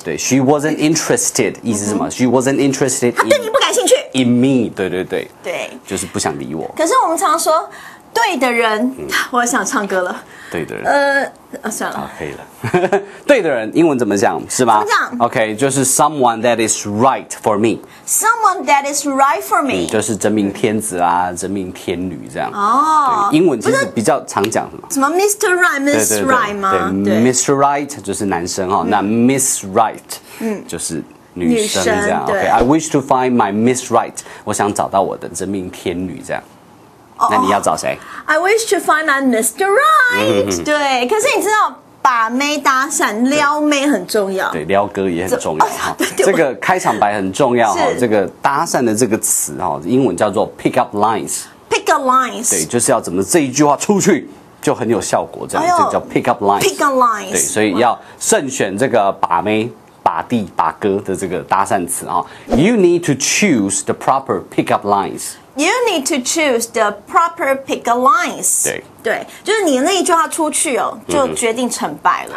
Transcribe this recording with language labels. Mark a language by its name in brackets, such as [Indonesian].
[English] 对 she wasn't interested, [Chinese] 意思是什么、嗯、 [English] she wasn't interested in...、 [Chinese] 啊对你不感兴趣 [English] In me, [Chinese] 对对对对就是不想理我可是我们常说对的人、嗯、我想唱歌了。对的人算了，好，可以了。对的人英文怎么讲是吧？怎么讲？ [English] OK， [Chinese] 就是 [English] someone that is right for me， someone that is right for me、嗯、 [Chinese] 就是真命天子啊，真命天女这样。哦、oh, 英文其实比较常讲什么什么 Mr. Right Mrs. Right 吗？对, 对, 对, 对 Mr. Right 就是男生、哦嗯、那 Miss Right、嗯、就是女生这样。OK， [English] I wish to find my Miss Right， [Chinese] 我想找到我的真命天女这样。那你要找谁？ [English] I wish to find my Mr. Right、 [Chinese] 嗯、对，可是你知道把妹搭讪撩妹很重要，对，撩哥也很重要、哦、这个开场白很重要。这个搭讪的这个词英文叫做 pick up lines， [English] pick up lines， [Chinese] 对，就是要怎么这一句话出去就很有效果这样、哎、这个叫 pick up lines， [English] pick up lines， [Chinese] 对，所以要慎选这个把妹把弟把哥的这个搭讪词。 [English] You need to choose the proper pick up lines You need to choose the proper pick up lines. [Chinese] 对, 对，就是你那一句话出去哦，就决定成败了。